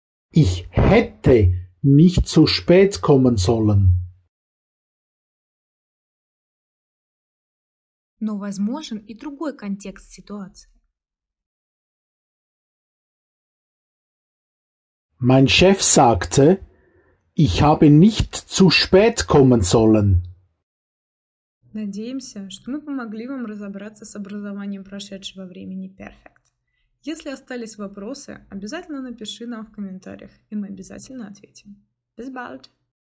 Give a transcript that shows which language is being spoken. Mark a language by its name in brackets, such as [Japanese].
[German] Ich hätte nicht so spät kommen sollen. [Russian] Но возможен и другой контекст ситуации. [German] Mein Chef sagte, ich habe nicht zu spät kommen sollen. [Russian] Надеемся, что мы помогли вам разобраться с образованием прошедшего времени Perfect. Если остались вопросы, обязательно напиши нам в комментариях, и мы обязательно ответим. [German] Bis bald!